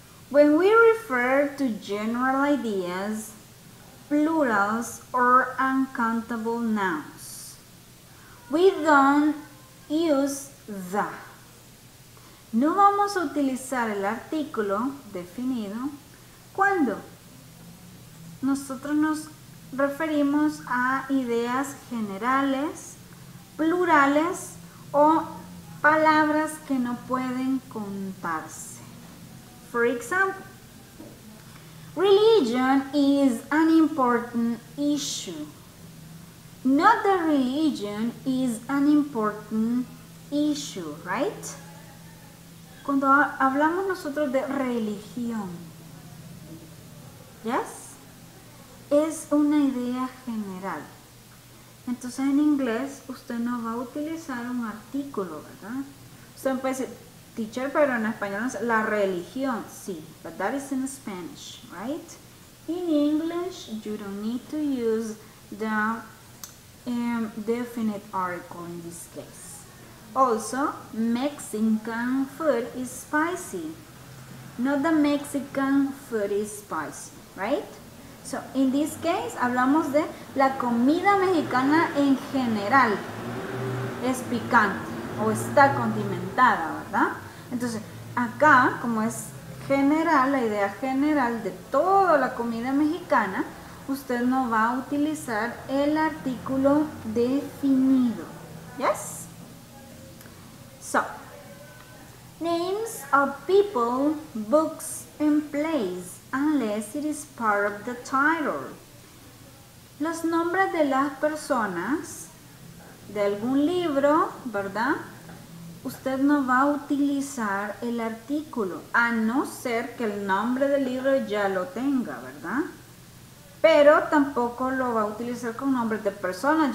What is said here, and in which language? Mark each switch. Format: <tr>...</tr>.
<en>When we refer to general ideas, plurals, or uncountable nouns, we don't use the.</en> <es>No vamos a utilizar el artículo definido cuando nosotros nos referimos a ideas generales, plurales o palabras que no pueden contarse.</es> <en>For example, religion is an important issue. Not the religion is an important issue, right?</en> <es>Cuando hablamos nosotros de religión, ¿yes? Es una idea general. Entonces, en inglés, usted no va a utilizar un artículo, ¿verdad? Usted puede decir, teacher, pero en español es la religión.</es> <en>Sí, but that is in Spanish, right? In English, you don't need to use the definite article in this case. Also, Mexican food is spicy. Not the Mexican food is spicy, right? So, in this case,</en> <es>hablamos de la comida mexicana en general. Es picante o está condimentada, ¿verdad? Entonces, acá, como es general, la idea general de toda la comida mexicana, usted no va a utilizar el artículo definido.</es> <en>¿Yes? So, names of people, books, and place, unless it is part of the title.</en> <es>Los nombres de las personas, de algún libro, ¿verdad? usted no va a utilizar el artículo, a no ser que el nombre del libro ya lo tenga, ¿verdad? Pero tampoco lo va a utilizar con nombres de personas.</es>